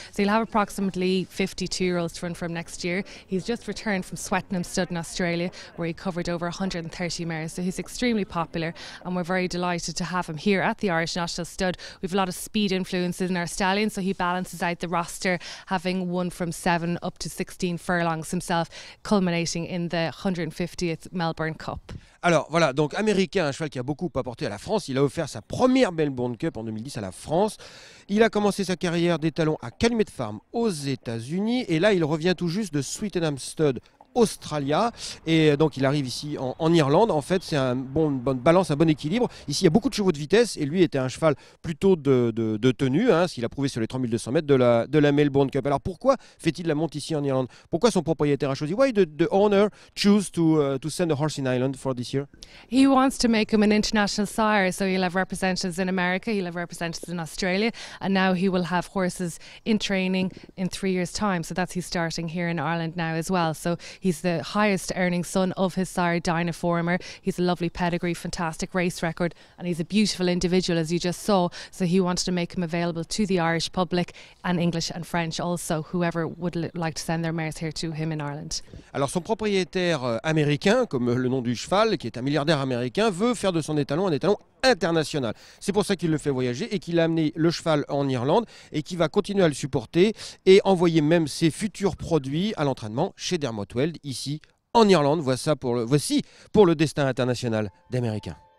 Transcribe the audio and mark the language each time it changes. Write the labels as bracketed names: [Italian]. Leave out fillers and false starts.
[English] So he'll have approximately 52-year-olds to run from next year. He's just returned from Swettenham Stud in Australia, where he covered over 130 mares. So he's extremely popular, and we're very delighted to have him here at the Irish National Stud. We have a lot of speed influences in our stallions, so he balances out the roster, having won from 7 up to 16 furlongs himself, culminating in the 150th Melbourne Cup. [French] Alors voilà, donc Américain, un cheval qui a beaucoup apporté à la France. Il a offert sa première Melbourne Cup en 2010 à la France. Il a commencé sa carrière d'étalon à Calumet Farm aux États-Unis. Et là, il revient tout juste de Swettenham Stud, Australia. Et donc, il arrive ici en Irlande. En fait, c'est une bonne balance, un bon équilibre. Ici, il y a beaucoup de chevaux de vitesse. Et lui était un cheval plutôt de tenue, hein, ce qu'il a prouvé sur les 3200 mètres de la Melbourne Cup. Alors, pourquoi fait-il la monte ici en Irlande? Pourquoi son propriétaire a choisi? [English] Why the owner choose to send a horse in Ireland for this year? He wants to make him an international sire. So, he'll have representatives in America, he'll have representatives in Australia. And now he will have horses in training in 3 years' time. So, that's he's starting here in Ireland now as well. So, he's the highest earning son of his sire, Dinah Former. He's a lovely pedigree, fantastic race record, and he's a beautiful individual, as you just saw. So he wanted to make him available to the Irish public and English and French also, whoever would like to send their mares here to him in Ireland. [French] Alors son propriétaire américain, comme le nom du cheval, qui est un milliardaire américain, veut faire de son étalon un étalon international. C'est pour ça qu'il le fait voyager et qu'il a amené le cheval en Irlande et qu'il va continuer à le supporter et envoyer même ses futurs produits à l'entraînement chez Dermot Weld ici en Irlande. Voici pour le destin international d'Américain.